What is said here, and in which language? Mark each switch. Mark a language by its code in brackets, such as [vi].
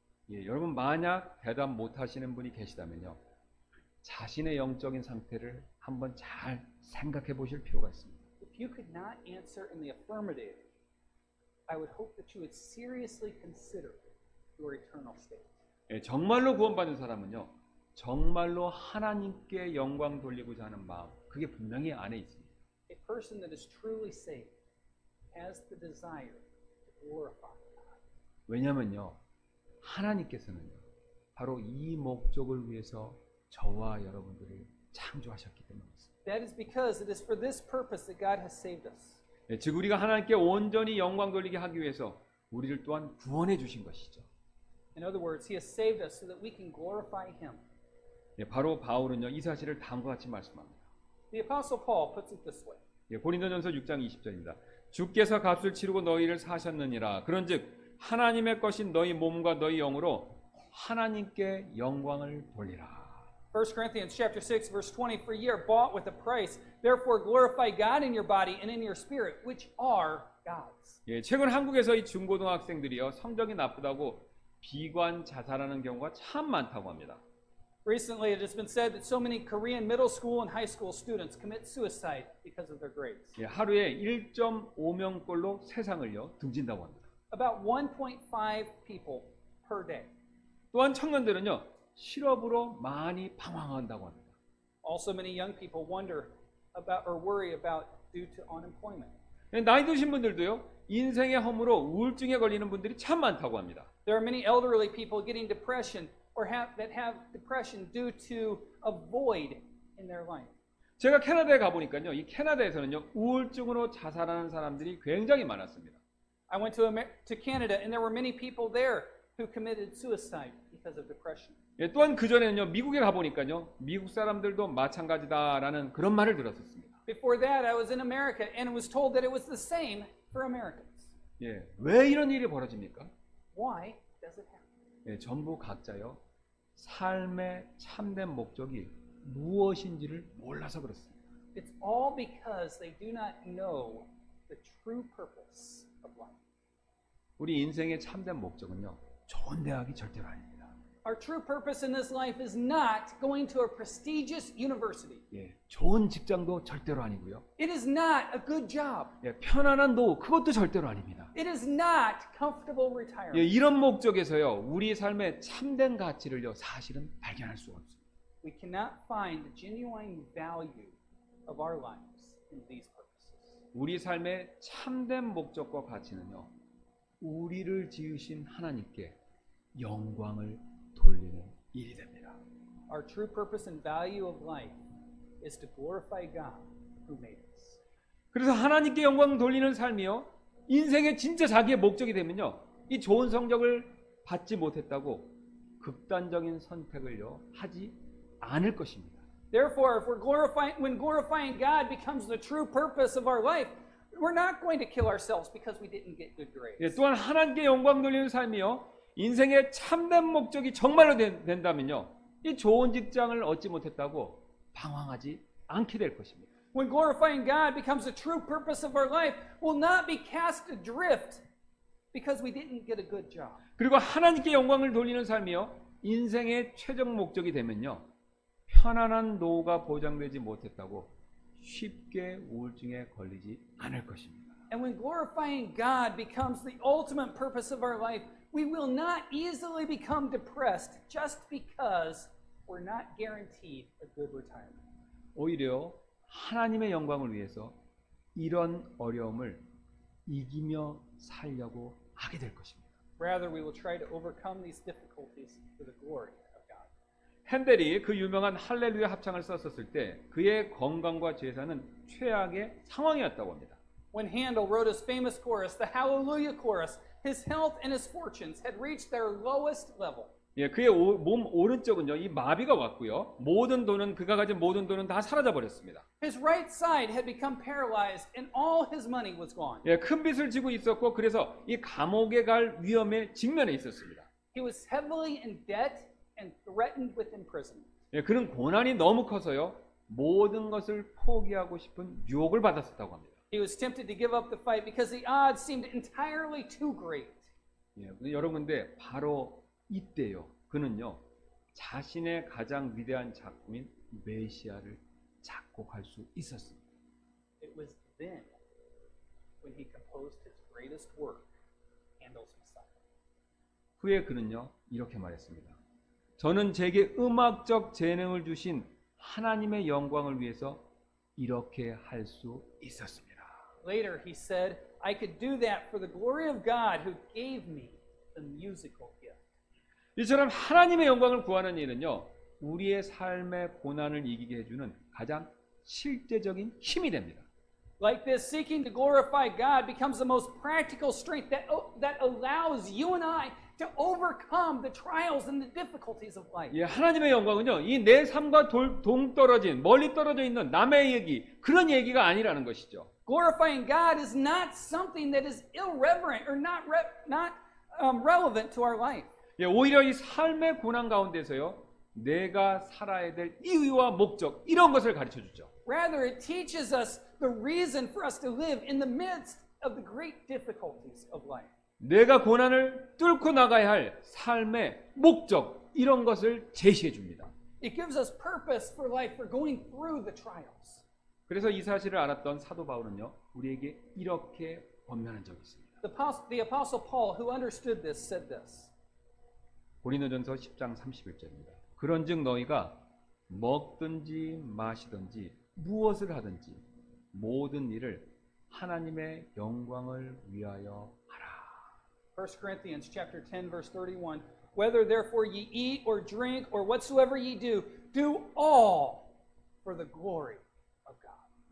[ko] 예, 여러분 만약 대답 못하시는 분이 계시다면요 자신의 영적인 상태를 한번 잘 생각해 보실 필요가 있습니다. [en] If you could not answer in the affirmative, I would hope that you would seriously consider your eternal state. [ko] 예, 정말로 구원받은 사람은요 정말로 하나님께 영광 돌리고자 하는 마음 그게 분명히 안에 있습니다. [en] A person that is truly saved has the desire to glorify. [ko] 왜냐면요 하나님께서는요 바로 이 목적을 위해서 저와 여러분들을 창조하셨기 때문입니다. [en] That is because it is for this purpose that God has saved us. [ko] 예, 즉 우리가 하나님께 온전히 영광 돌리게 하기 위해서 우리를 또한 구원해 주신 것이죠. [en] In other words, He has saved us so that we can glorify Him. [ko] 예, 바로 바울은요 이 사실을 다음과 같이 말씀합니다. [en] The Apostle Paul puts it this way. [ko] 예, 고린도전서 6장 20절입니다. 주께서 값을 치르고 너희를 사셨느니라. 그런즉 하나님의 것인 너희 몸과 너희 영으로 하나님께 영광을 돌리라. [en] 1 Corinthians chapter 6 verse 20 For ye are bought with a price. Therefore glorify God in your body and in your spirit, which are God's. [ko] 예, 최근 한국에서 이 중고등학생들이요 성적이 나쁘다고 비관 자살하는 경우가 참 많다고 합니다. [en] Recently, it has been said that so many Korean middle school and high school students commit suicide because of their grades. [ko] 예, 하루에 1.5명꼴로 세상을요 등진다고 합니다. [en] About 1.5 people per day. [ko] 또한 청년들은요 실업으로 많이 방황한다고 합니다. [en] Also, many young people wonder about or worry about due to unemployment. [ko] 예, 나이 드신 분들도요 인생의 허무로 우울증에 걸리는 분들이 참 많다고 합니다. [en] There are many elderly people getting depression. Or have, that have depression due to a void in their life. [ko] 제가 캐나다에 가 보니까요, 이 캐나다에서는요 우울증으로 자살하는 사람들이 굉장히 많았습니다. [en] I went to Canada, and there were many people there who committed suicide because of depression. [ko] 예, 또한 그 전에는요 미국에 가 보니까요 미국 사람들도 마찬가지다라는 그런 말을 들었었습니다. [en] Before that, I was in America, and was told that it was the same for Americans. [ko] 예, 왜 이런 일이 벌어집니까? [en] Why does it happen? [ko] 예, 전부 각자요 삶의 참된 목적이 무엇인지를 몰라서 그렇습니다. [en] It's all because they do not know the true purpose of life. [ko] 우리 인생의 참된 목적은요 좋은 대학이 절대로 아닙니다. [en] Our true purpose in this life is not going to a prestigious university. [ko] 예, 좋은 직장도 절대로 아니고요. [en] It is not a good job. [ko] 예, 편안한 노후 그것도 절대로 아닙니다. [en] It is not comfortable retirement. [ko] 예, 이런 목적에서요 우리 삶의 참된 가치를요 사실은 발견할 수 없습니다. [en] We cannot find the genuine value of our lives in these purposes. [ko] 우리 삶의 참된 목적과 가치는요 우리를 지으신 하나님께 영광을 돌리는 일이 됩니다. [en] Our true purpose and value of life is to glorify God who made us. [ko] 그래서 하나님께 영광 돌리는 삶이요. 인생의 진짜 자기의 목적이 되면요, 이 좋은 성적을 받지 못했다고 극단적인 선택을요 하지 않을 것입니다. [en] Therefore, if we're glorifying, when glorifying God becomes the true purpose of our life, we're not going to kill ourselves because we didn't get good grades. [ko] 예, 또한 하나님께 영광 돌리는 삶이요, 인생의 참된 목적이 정말로 된다면요, 이 좋은 직장을 얻지 못했다고 방황하지 않게 될 것입니다. [en] When glorifying God becomes the true purpose of our life, we'll not be cast adrift because we didn't get a good job. [ko] 그리고 하나님께 영광을 돌리는 삶이요, 인생의 최종 목적이 되면요, 편안한 노후가 보장되지 못했다고 쉽게 우울증에 걸리지 않을 것입니다. [en] And when glorifying God becomes the ultimate purpose of our life, we will not easily become depressed just because we're not guaranteed a good retirement. [ko] 오히려 하나님의 영광을 위해서 이런 어려움을 이기며 살려고 하게 될 것입니다. [en] Rather, we will try to overcome these difficulties for the glory of God. [ko] 헨델이 그 유명한 할렐루야 합창을 썼었을 때 그의 건강과 제사는 최악의 상황이었다고 합니다. [en] When Handel wrote his famous chorus, the Hallelujah chorus, his health and his fortunes had reached their lowest level. [ko] 예, 그의 몸 오른쪽은요 이 마비가 왔고요 모든 돈은 그가 가진 모든 돈은 다 사라져 버렸습니다. [en] His right side had become paralyzed, and all his money was gone. [ko] 예, 큰 빚을 지고 있었고 그래서 이 감옥에 갈 위험에 직면해 있었습니다. [en] He was heavily in debt and threatened with imprisonment. [ko] 예, 그는 고난이 너무 커서요 모든 것을 포기하고 싶은 유혹을 받았었다고 합니다. [en] He was tempted to give up the fight because the odds seemed entirely too great. [ko] 예, 여러분, 근데 바로 이때요. 그는요. 자신의 가장 위대한 작품인 메시아를 작곡할 수 있었습니다. [en] It was then when he composed his greatest work, Handel's Messiah. [ko] 후에 그는요. 이렇게 말했습니다. 저는 제게 음악적 재능을 주신 하나님의 영광을 위해서 이렇게 할 수 있었습니다. [en] Later he said, I could do that for the glory of God who gave me the musical gift. [ko] 이처럼 하나님의 영광을 구하는 일은요 우리의 삶의 고난을 이기게 해주는 가장 실제적인 힘이 됩니다. [en] Like this, seeking to glorify God becomes the most practical strength that allows you and I to overcome the trials and the difficulties of life. [ko] 예, 하나님의 영광은요 이 내 삶과 동떨어진 멀리 떨어져 있는 남의 얘기 그런 얘기가 아니라는 것이죠. [en] Glorifying God is not something that is irreverent or not relevant to our life. [ko] 예, 오히려 이 삶의 고난 가운데서요, 내가 살아야 될 이유와 목적 이런 것을 가르쳐 주죠. [en] Rather, it teaches us the reason for us to live in the midst of the great difficulties of life. [ko] 내가 고난을 뚫고 나가야 할 삶의 목적 이런 것을 제시해 줍니다. [en] It gives us purpose for life for going through the trials. [ko] 그래서 이 사실을 알았던 사도 바울은요, 우리에게 이렇게 권면한 적이 있습니다. [en] The apostle Paul who understood this said this. [ko] 고린도전서 10장 31절입니다. 그런즉 너희가 먹든지 마시든지 무엇을 하든지 모든 일을 하나님의 영광을 위하여 하라. [en] 1 Corinthians chapter 10 verse 31. Whether therefore ye eat or drink or whatsoever ye do, do all for the glory of God.